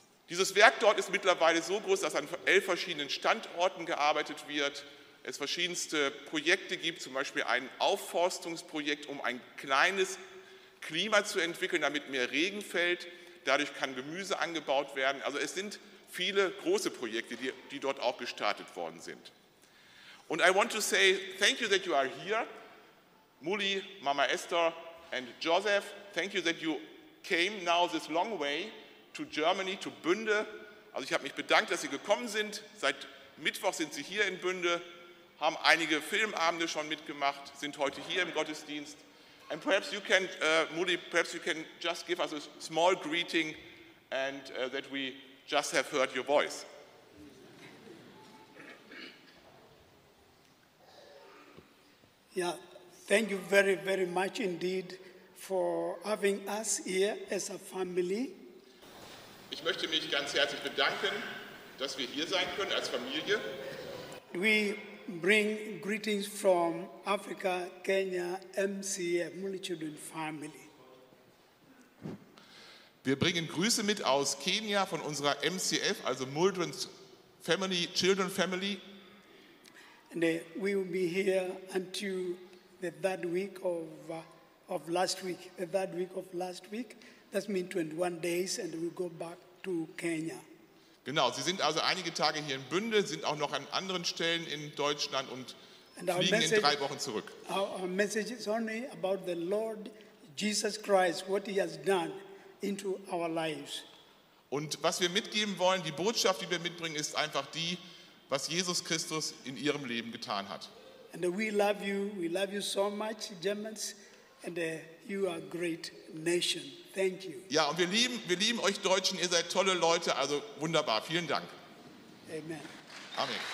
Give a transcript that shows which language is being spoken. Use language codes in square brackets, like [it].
[de] Dieses Werk dort ist mittlerweile so groß, dass an 11 verschiedenen Standorten gearbeitet wird. Es verschiedenste Projekte gibt, zum Beispiel ein Aufforstungsprojekt, um ein kleines Klima zu entwickeln, damit mehr Regen fällt. Dadurch kann Gemüse angebaut werden. Also es sind viele große Projekte, die dort auch gestartet worden sind. [en] Und I want to say thank you that you are here, Mulli, Mama Esther and Joseph. Thank you that you came now this long way to Germany, to Bünde. [de] Also ich habe mich bedankt, dass Sie gekommen sind. Seit Mittwoch sind Sie hier in Bünde, haben einige Filmabende schon mitgemacht, sind heute hier im Gottesdienst. [en] And perhaps you can, Moody, perhaps you can just give us a small greeting and that we just have heard your voice. Yeah, thank you very, very much indeed for having us here as a family. [de] Ich möchte mich ganz herzlich bedanken, dass wir hier sein können als Familie. [en] We bring greetings from Africa, Kenya, MCF, Moody Children Family. [de] Wir bringen Grüße mit aus Kenia von unserer MCF, also Moody Family, Children Family. [en] And we will be here until the third week of last week. The third week of last week, that means 21 days, and we go back to Kenya. [de] Genau, Sie sind also einige Tage hier in Bünde, sind auch noch an anderen Stellen in Deutschland und fliegen message, in drei Wochen zurück. [en] Our message is only about the Lord Jesus Christ, what he has done into our lives. [de] Und was wir mitgeben wollen, die Botschaft, die wir mitbringen, ist einfach die, was Jesus Christus in ihrem Leben getan hat. [en] And we love you so much, Germans, and you are a great nation. Thank you. [de] Ja, und wir lieben euch Deutschen, ihr seid tolle Leute, also wunderbar. Vielen Dank. Amen. Amen.